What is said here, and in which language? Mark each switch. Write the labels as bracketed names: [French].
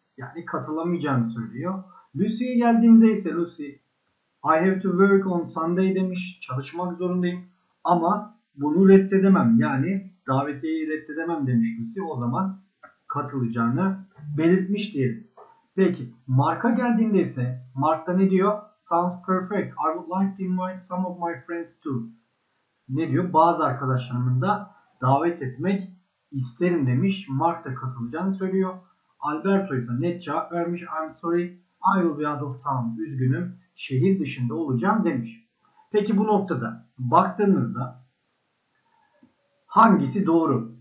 [Turkish] Yani katılamayacağını söylüyor. Lucy'ye geldiğimde ise Lucy [English] I have to work on Sunday [Turkish] demiş. Çalışmak zorundayım. Ama bunu reddedemem. Yani davetiyeyi reddedemem demiş Lucy. O zaman katılacağını belirtmiş diyelim. Peki Mark'a geldiğimde ise Mark da ne diyor? [English] Sounds perfect. I would like to invite some of my friends too. [Turkish] Ne diyor? Bazı arkadaşlarımın da davet etmek İsterim demiş. Mark da katılacağını söylüyor. Alberto ise net cevap vermiş. [English] I'm sorry. I will be out of town. [Turkish] Üzgünüm. Şehir dışında olacağım demiş. Peki bu noktada baktığınızda hangisi doğru?